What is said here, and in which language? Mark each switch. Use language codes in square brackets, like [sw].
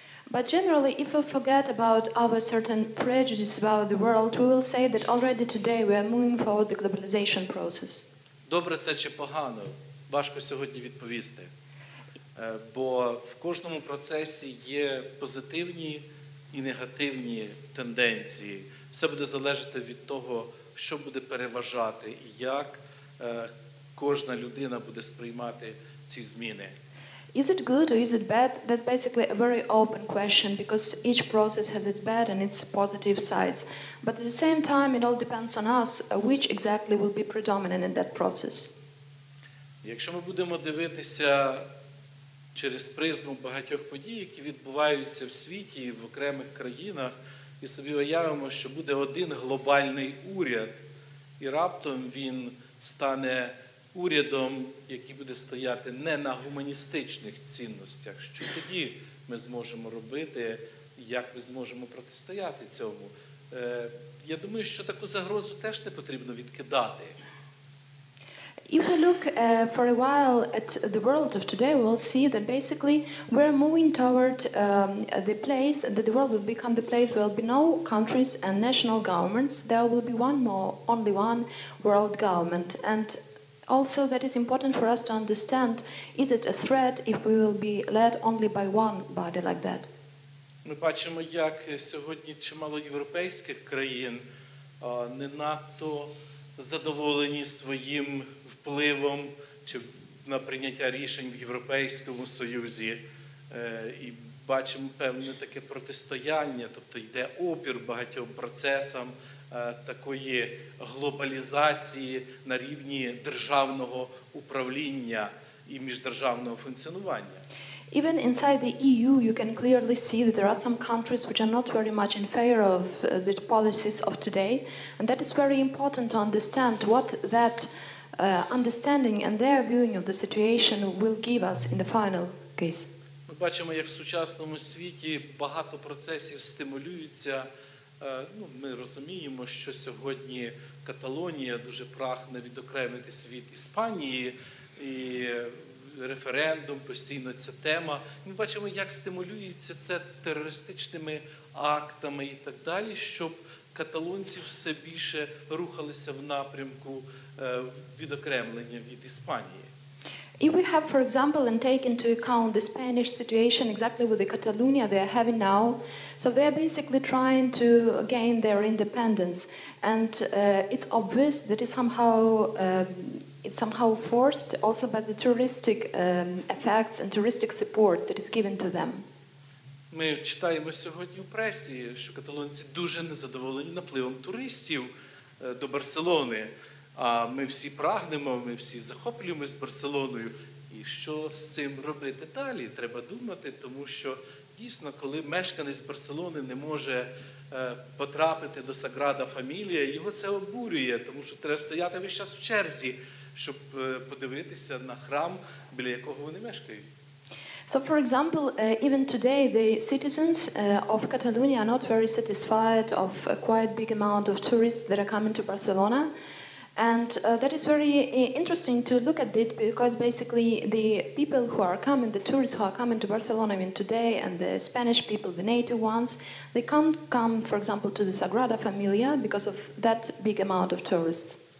[en] But generally, if we forget about our certain prejudices about the world, we will say that already today we are moving forward the globalization process. [uk] Добре це чи погано? Важко сьогодні відповісти. Бо в кожному процесі є позитивні і негативні тенденції. Все буде залежати від того, що буде переважати і як кожна людина буде сприймати ці зміни. [en] Is it good or is it bad? That's basically a very open question because each process has its bad and its positive sides. But at the same time, it all depends on us which exactly will be predominant in that process. [uk] Якщо ми будемо дивитися через призму багатьох подій, які відбуваються в світі і в окремих країнах, і собі уявимо, що буде один глобальний уряд, і раптом він стане урядом, який буде стояти не на гуманістичних цінностях. Що тоді ми зможемо робити, як ми зможемо протистояти цьому? Я думаю, що таку загрозу теж не потрібно відкидати. [en] If we look for a while at the world of today, we'll see that basically we're moving toward the place that the world will become the place where there will be no countries and national governments. There will be one more, only one world government. And also that is important for us to understand, is it a threat if we will be led only by one body like that? [uk] Ми бачимо, як сьогодні чимало європейських країн не надто задоволені своїм впливом чи на прийняття рішень в Європейському Союзі, і бачимо певне таке протистояння, тобто йде опір багатьом процесам такої глобалізації на рівні державного управління і міждержавного функціонування. [en] Even inside the EU, you can clearly see that there are some countries which are not very much in favor of the policies of today, and that is very important to understand what that understanding and their viewing of the situation will give us in the final case. [uk] Ми бачимо, як в сучасному світі багато процесів стимулюються. Ну, ми розуміємо, що сьогодні Каталонія дуже прагне відокремитись від Іспанії, і референдум постійно ця тема. Ми бачимо, як стимулюється це терористичними актами і так далі, щоб каталонці все більше рухалися в напрямку відокремлення від Іспанії. [en] If we have, for example, and take into account the Spanish situation exactly with the Catalonia they are having now, so they are basically trying to gain their independence, and it's obvious that it's somehow forced also by the touristic effects and touristic support that is given to them. [uk] Ми читаємо сьогодні в пресі, що каталонці дуже незадоволені напливом туристів до Барселони. А ми всі прагнемо, ми всі захоплюємось Барселоною. І що з цим робити далі? Треба думати, тому що дійсно, коли мешканець Барселони не може потрапити до Саграда Фамілія, його це обурює, тому що треба стояти весь час в черзі, щоб подивитися на храм, біля якого вони мешкають. [en] So, for example, even today, the citizens of Catalonia are not very satisfied of a quite big amount of tourists that are coming to Barcelona. And that is very interesting to look at it, because basically the people who are coming, the tourists who are coming to Barcelona even today, and the Spanish people, the native ones, they can't come, for example, to the Sagrada Familia because of that big amount of tourists.